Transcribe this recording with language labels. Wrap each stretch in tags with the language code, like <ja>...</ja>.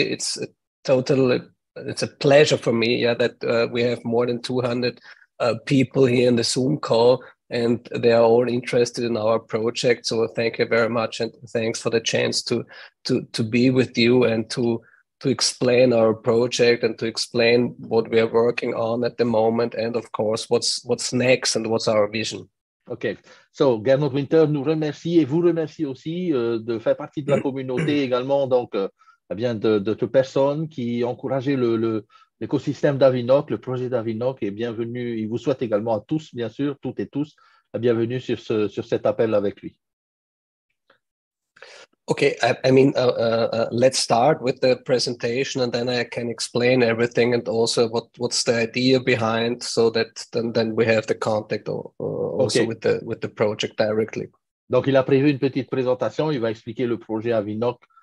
<en>It's a pleasure for me that we have more than 200 people here in the Zoom call, and they are all interested in our project. So thank you very much, and thanks for the chance to be with you and to explain our project and to explain what we are working on at the moment, and of course what's next and what's our vision.</en> <fr>Okay, so Gernot Winter nous remercie et vous remercie aussi de faire partie de la communauté également, donc bien de toutes personnes qui encouragent l'écosystème d'Avinoc, le projet d'Avinoc, et bienvenue. Il vous souhaite également à tous, bien sûr, toutes et tous, la bienvenue sur cet appel avec lui.</fr> <en>Okay, let's start with the presentation, and then I can explain everything and also what's the idea behind, so that then we have the contact also okay. with the project directly.</en> <fr>Donc il a prévu une petite présentation, il va expliquer le projet Avinoc.</fr>